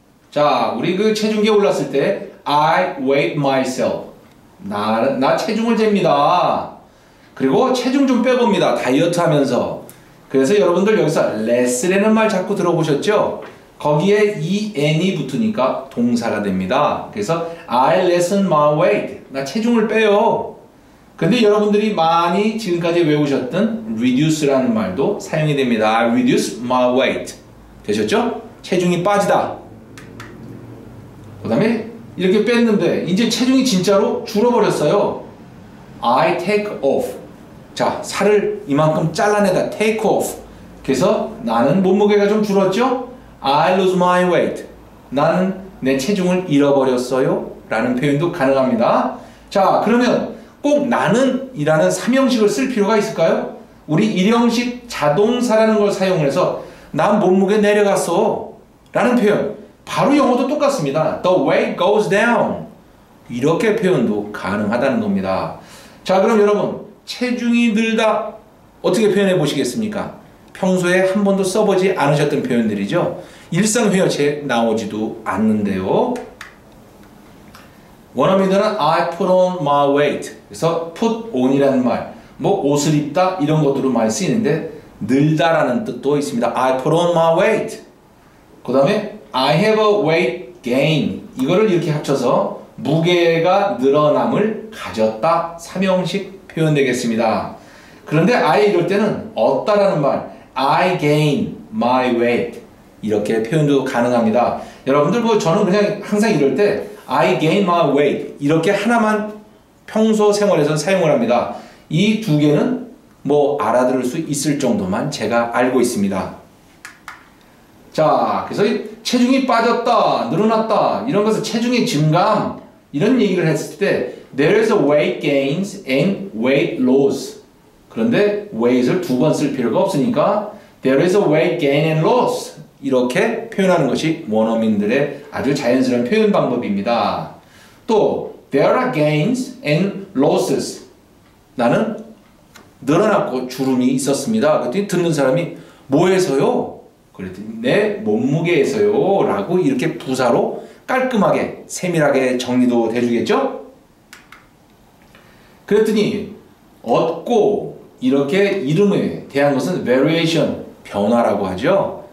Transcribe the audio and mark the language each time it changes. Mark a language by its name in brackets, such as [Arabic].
[Korean] 자, 우리 그 체중계 올랐을 때 [English] I weigh myself. [Korean] 나 체중을 잽니다. 그리고 체중 좀 빼봅니다. 다이어트 하면서. 그래서 여러분들 여기서 less라는 말 자꾸 들어보셨죠? 거기에 en이 붙으니까 동사가 됩니다. 그래서 [English] I lessen my weight. [Korean] 나 체중을 빼요. 근데 여러분들이 많이 지금까지 외우셨던 reduce라는 말도 사용이 됩니다. [English] I reduce my weight. [Korean] 되셨죠? 체중이 빠지다. 그 다음에 이렇게 뺐는데 이제 체중이 진짜로 줄어버렸어요. [English] I take off. [Korean] 자, 살을 이만큼 잘라내다. [English] take off. [Korean] 그래서 나는 몸무게가 좀 줄었죠? [English] I lose my weight. [Korean] 나는 내 체중을 잃어버렸어요. 라는 표현도 가능합니다. 자, 그러면 꼭 나는 이라는 3형식을 쓸 필요가 있을까요? 우리 1형식 자동사라는 걸 사용해서 난 몸무게 내려갔어 라는 표현 바로 영어도 똑같습니다. [English] The weight goes down [Korean] 이렇게 표현도 가능하다는 겁니다. 자, 그럼 여러분 체중이 늘다. 어떻게 표현해 보시겠습니까? 평소에 한 번도 써보지 않으셨던 표현들이죠. 일상 회화체에 나오지도 않는데요. 원어민들은 [English] I put on my weight. [Korean] 그래서 put on이라는 말, 뭐 옷을 입다 이런 것들로 많이 쓰이는데 늘다라는 뜻도 있습니다. [English] I put on my weight. [Korean] 그 다음에 [English] I have a weight gain. [Korean] 이거를 이렇게 합쳐서 무게가 늘어남을 가졌다. 3형식 표현되겠습니다. 그런데 I 이럴 때는 얻다라는 말, [English] I gain my weight. [Korean] 이렇게 표현도 가능합니다. 여러분들 뭐 저는 그냥 항상 이럴 때 [English] I gain my weight [Korean] 이렇게 하나만 평소 생활에서 사용을 합니다. 이 두 개는 뭐 알아들을 수 있을 정도만 제가 알고 있습니다. 자, 그래서 체중이 빠졌다, 늘어났다 이런 것은 체중의 증감 이런 얘기를 했을 때 [English] there is a weight gains and weight loss. [Korean] 그런데 weight을 두 번 쓸 필요가 없으니까 [English] there is a weight gain and loss [Korean] 이렇게 표현하는 것이 원어민들의 아주 자연스러운 표현 방법입니다. 또 [English] there are gains and losses. [Korean] 나는 늘어났고 주름이 있었습니다. 그랬더니 듣는 사람이 뭐에서요? 그랬더니 내 몸무게에서요 라고 이렇게 부사로 깔끔하게 세밀하게 정리도 해주겠죠? 그랬더니 얻고 이렇게 이름에 대한 것은 variation, 변화라고 하죠.